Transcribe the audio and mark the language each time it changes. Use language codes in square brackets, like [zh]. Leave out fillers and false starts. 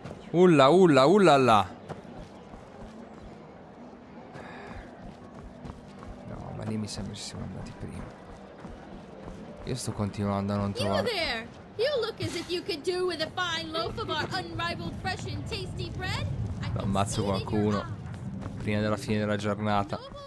[it] Ulla. Lì mi sembra ci siamo andati prima. Io sto continuando a non trovare. [en] You there! You look as if you could do with a fine loaf of our unrivaled fresh and tasty bread. [it] Ammazzo qualcuno prima della fine della giornata.